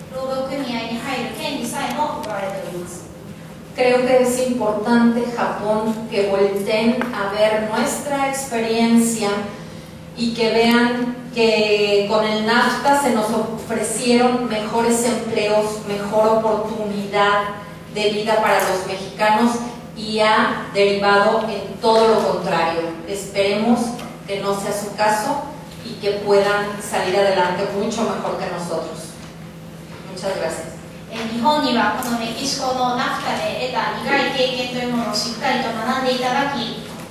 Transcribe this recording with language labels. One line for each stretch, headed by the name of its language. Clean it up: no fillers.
Japanese: そして最後に労働条件が劣悪化しているということ。具体的には有給休暇が取れない、クリスマスのボーナスももらえない、そもそも給料は低く抑えられて労働組合に入る権利さえも奪われております。
Spanish: Creo que es importante Japón que volteen a ver nuestra experiencia y que vean que con el NAFTA se nos ofrecieron mejores empleos, mejor oportunidad de vida para los mexicanos y ha derivado en todo lo contrario. Esperemos que no sea su caso y que puedan salir adelante mucho mejor que nosotros. Muchas gracias.
Japanese: 日本にはこのメキシコのNAFTAで得た苦い経験というものをしっかりと学んでいただき、